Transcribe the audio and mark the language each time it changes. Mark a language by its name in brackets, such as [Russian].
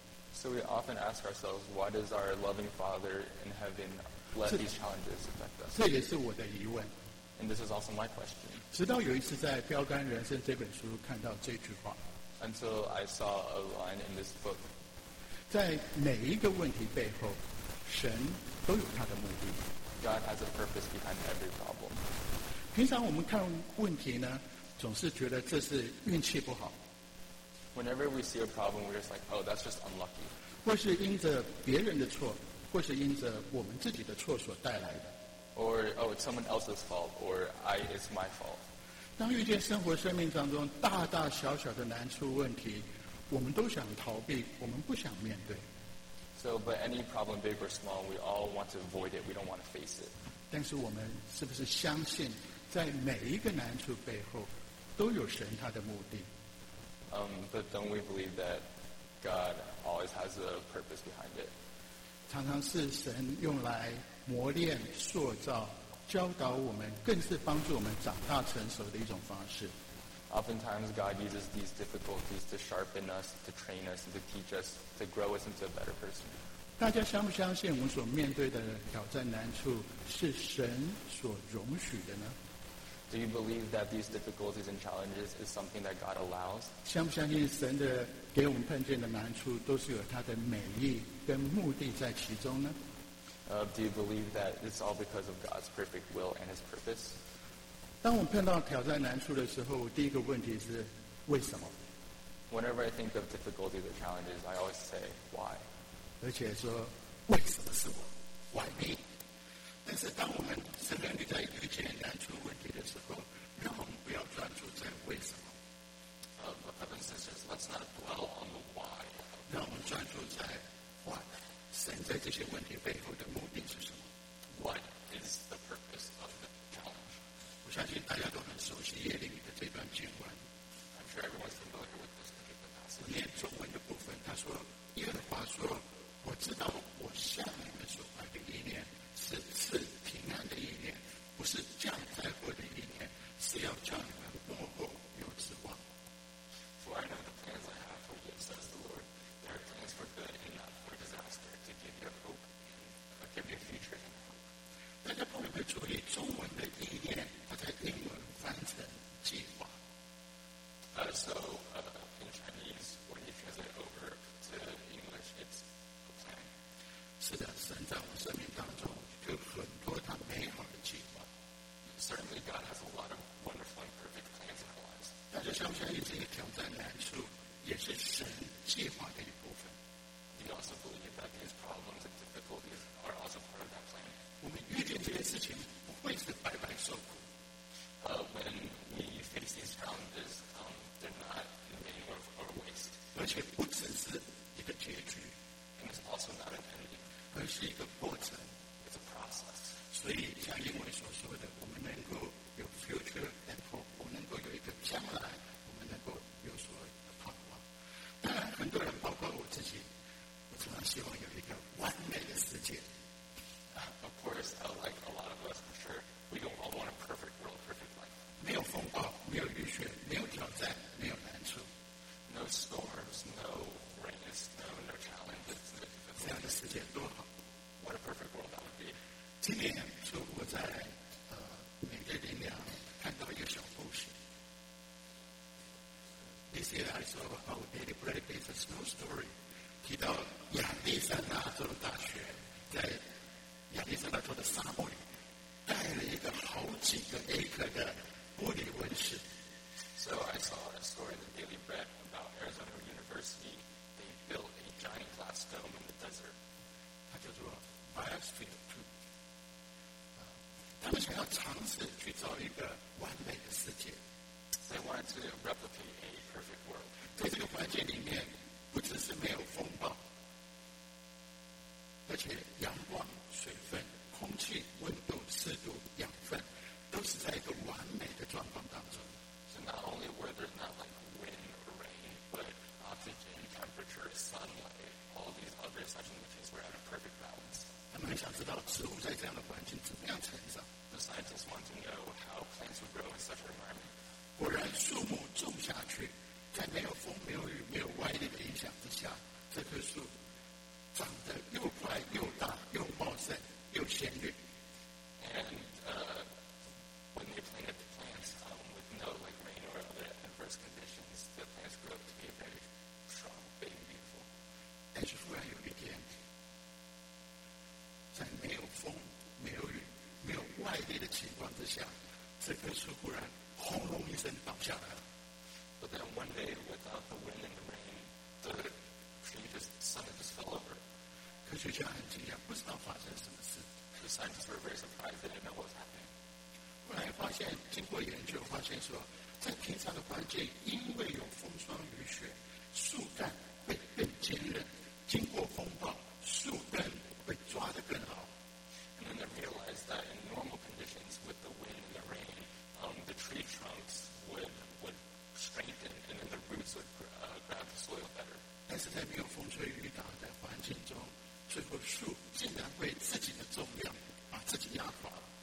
[English] So we often ask ourselves, why does our loving Father in heaven let these challenges affect us? [Chinese] 这也是我的疑问。 [English] And this is also my question. [Chinese] 直到有一次在标杆人生这本书看到这句话。 [English] Until I saw a line in this book. [Chinese] 在每一个问题背后, 神都有他的目的。 [English] God has a purpose behind every problem. [Chinese] 平常我们看问题呢, 总是觉得这是运气不好。 [English] Whenever we see a problem, we're just like, oh, that's just unlucky. [Chinese] 或是因着别人的错，或是因着我们自己的错所带来的。 [English] Or, oh, it's someone else's fault, or I, it's my fault. [Chinese] 当遇见生活生命当中大大小小的难处问题，我们都想逃避，我们不想面对。 [English] So, but any problem, big or small, we all want to avoid it, we don't want to face it. [Chinese] 但是我们是不是相信，在每一个难处背后，都有神他的目的？ [English] But don't we believe that God always has a purpose behind it? [Chinese] 常常是神用来磨练、塑造、教导我们，更是帮助我们长大成熟的一种方式。 [English] Oftentimes, God uses these difficulties to sharpen us, to train us, and to teach us, to grow us into a better person. [Chinese] 大家相不相信我们所面对的挑战难处是神所容许的呢？ [English] Do you believe that these difficulties and challenges is something that God allows? [Chinese] 相不相信神的给我们碰见的难处都是有他的美意跟目的在其中呢？ [English] Do you believe that it's all because of God's perfect will and His purpose? [Chinese] 当我碰到挑战难处的时候，第一个问题是为什么？ [English] Whenever I think of difficulties or challenges, I always say why. [Chinese] 而且说为什么是我 ？ [English] Why me？ [Chinese] 但是当我们生命里在遇见难处问题的时候，让我们不要专注在为什么。 [English] Brothers and sisters, let's not dwell on the why. [Chinese] 让我们专注在 why。神在这些问题背后的目的是什么 [English] ？What is the purpose of the challenge？ [Chinese] 我相信大家都很熟悉耶利米的这段经文。 [English] I'm sure everyone's familiar with this particular passage. [Chinese] 念中文的部分，他说：“耶和华说，我知道我向你们所怀的意念是赐平安的意念，不是降灾祸的意念，是要叫你们末后有指望。” [English] For I know the plans I have for you, says the Lord. They are plans for good and not for disaster, to give you hope, to give you future. [Chinese] 大家朋友们注意，中文的意念，它在英文翻成计划。 [English] In Chinese, when you translate over to English, it's a plan. [Chinese] 是的，神在我生命当中有很多他美好的计划。 [English] Certainly, God has a lot of wonderful and perfect plans in our lives. [Chinese] 大家相信这些挑战难处也是神计划的一部分。 [English] Do you also believe that these problems and difficulties are also part of that plan? [Chinese] 我们遇见这些事情不会是白白受苦。 [English] When we face these challenges, they're not in vain or a waste. [Chinese] 而且不只是一个结局。 [English] And it's also not an ending. [Chinese] 而是一个过程。 [English] It's a process. [Chinese] 所以像英文所说的，我们能够有 [English] future and hope， [Chinese] 我们能够有一个将来，我们能够有所盼望。当然，很多人，包括我自己，我常常希望有一个完美的世界。 [English] Of course, like a lot of us, for sure, we don't all want a perfect world, perfect life. [Chinese] 没有风暴，没有雨雪，没有挑战，没有难处。 [English] No storms, no rain, no challenges. [Chinese] 这样的世界多好。 [English] What a perfect world that would be. [Chinese] 今年，就我在每个林良看到一个小故事。 [English] This year, I saw how Daily Bread is a small story. [Chinese] 提到亚利桑那州大学在亚历山大州的沙漠里带了一个好几个 acre 的玻璃温室。 [English] So I saw a story in the Daily Bread about Arizona University. They built a giant glass dome in the desert. [Chinese] 它叫做 Biosphere 2。他们想要尝试去造一个完美的世界。 [English] They wanted to replicate a perfect world. [Chinese] 在这个环境里面，不只是没有风暴。而且阳光、水分、空气、温度、湿度、养分，都是在一个完美的状况当中。 [English] So not only were there not like wind or rain, but oxygen, temperature, sunlight, all these other essential nutrients were at a perfect balance. [Chinese] 他们想知道植物在这样的环境怎么样成长。 [English] The scientists want to know how plants would grow in such an environment. [Chinese] 果然，树木种下去，在没有风、没有雨、没有外力的影响之下，这棵树。长得又快又大又茂盛又鲜绿。 [English] And when they planted the plants with no like rain or other adverse conditions, the plants grew up to be very strong, big, and beautiful. [Chinese] 但是忽然有一天，在没有风、没有雨、没有外力的情况之下，这棵树忽然轰隆一声倒下来了。 [English] But then one day, without the wind and the rain, the [Chinese] 所以这三个就 [English] fell over。 [Chinese] 科学家很惊讶，不知道发生什么事。 [English] The scientists were very surprised. They didn't know what's happening. [Chinese] 后来发现，经过研究发现说，在平常的环境，因为有风霜雨雪，树干会更坚韧。经过风暴，树根会抓得更牢。 [English] And then they realized that in normal conditions, with the wind and the rain, the tree trunks would strengthen, and then the roots would grab the soil better. [Chinese] 但是在没有风吹雨打的环境中，最后树竟然为自己的重量把自己压垮了。